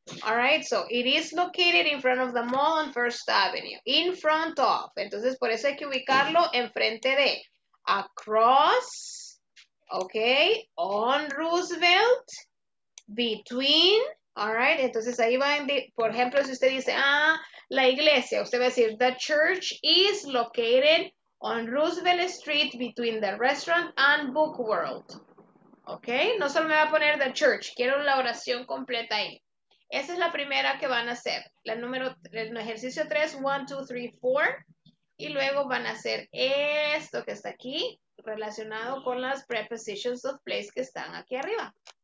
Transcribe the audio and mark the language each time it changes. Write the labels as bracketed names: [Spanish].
[English] All right, so it is located in front of the mall on First Avenue. In front of. [Spanish] Entonces, por eso hay que ubicarlo enfrente de. [English] Across, okay, on Roosevelt, between. All right, [Spanish] entonces ahí va, por ejemplo, si usted dice, ah, la iglesia. Usted va a decir, [English] the church is located on Roosevelt Street between the restaurant and Book World. [Spanish] ¿Ok? No solo me va a poner [English] the church. [Spanish] Quiero la oración completa ahí. Esa es la primera que van a hacer. La número, el ejercicio 3, 1, 2, 3, 4. Y luego van a hacer esto que está aquí, relacionado con las [English] prepositions of place [Spanish] que están aquí arriba.